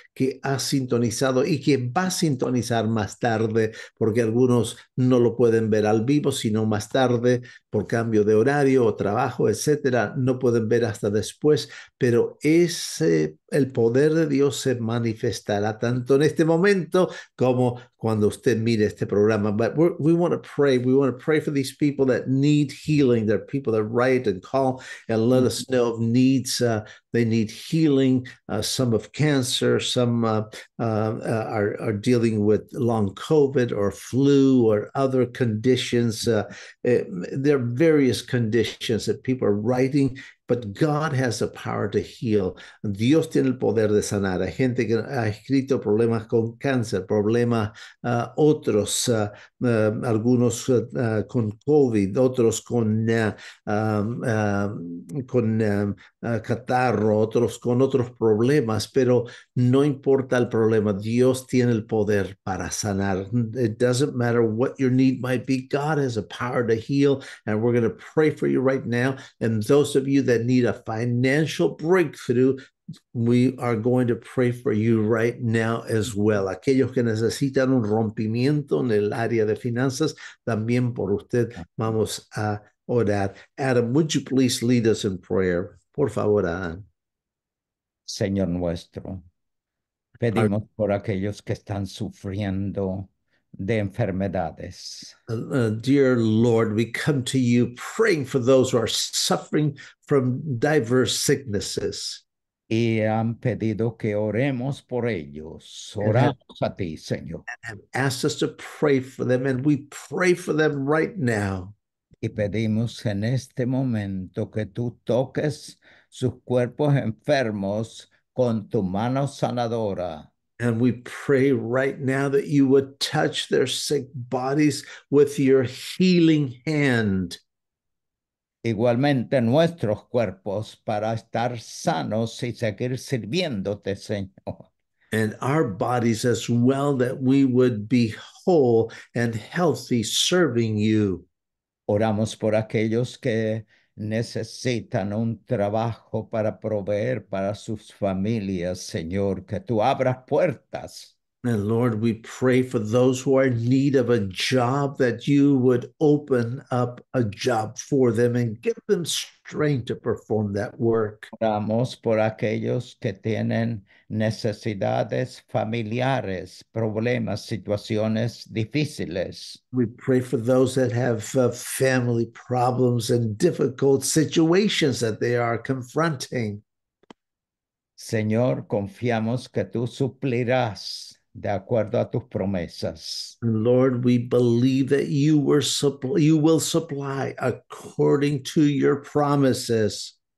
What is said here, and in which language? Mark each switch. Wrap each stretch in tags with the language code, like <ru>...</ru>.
<es>que ha sintonizado y que va a sintonizar más tarde, porque algunos no lo pueden ver al vivo, sino más tarde por cambio de horario o trabajo, etcétera, no pueden ver hasta después, pero el poder de Dios se manifestará tanto en este momento como cuando usted mire este programa.</es> <en>But we want to pray. We want to pray for these people that need healing. There are people that write and call and let us know of needs. They need healing. Some of cancer. Some are dealing with long COVID or flu or other conditions. There are various conditions that people are writing. But God has the power to heal.</en> <es>Dios tiene el poder de sanar. Hay gente que ha escrito problemas con cáncer, problemas otros, algunos con COVID, otros con catarro, otros con otros problemas. Pero no importa el problema, Dios tiene el poder para sanar.</es> <en>It doesn't matter what your need might be. God has the power to heal. And we're going to pray for you right now. And those of you that need a financial breakthrough, we are going to pray for you right now as well.</en> <es>Aquellos que necesitan un rompimiento en el área de finanzas, también por usted vamos a orar.</es> <en>Adam, would you please lead us in prayer?</en> <es>Por favor, Adam. Señor nuestro, pedimos por aquellos que están sufriendo de enfermedades.</es> <en>Dear Lord, we come to you praying for those who are suffering from diverse sicknesses.</en> <es>Y han pedido que oremos por ellos. Oramos a ti, Señor.</es> <en>And have asked us to pray for them, and we pray for them right now.</en> <es>Y pedimos en este momento que tú toques sus cuerpos enfermos con tu mano sanadora.</es> <en>And we pray right now that you would touch their sick bodies with your healing hand.</en> <es>Igualmente nuestros cuerpos para estar sanos y seguir sirviéndote, Señor.</es> <en>And our bodies as well, that we would be whole and healthy serving you.</en> <es>Oramos por aquellos que necesitan un trabajo para proveer para sus familias, Señor, que tú abras puertas.</es> <en>And Lord, we pray for those who are in need of a job, that you would open up a job for them and give them strength to perform that work.</en> <es>Oramos por aquellos que tienen necesidades familiares, problemas, situaciones difíciles.</es> <en>We pray for those that have family problems and difficult situations that they are confronting.</en> <es>Señor, confiamos que tú suplirás de acuerdo a tus promesas.</es> <en>Lord, we believe that you will supply according to your promises.</en>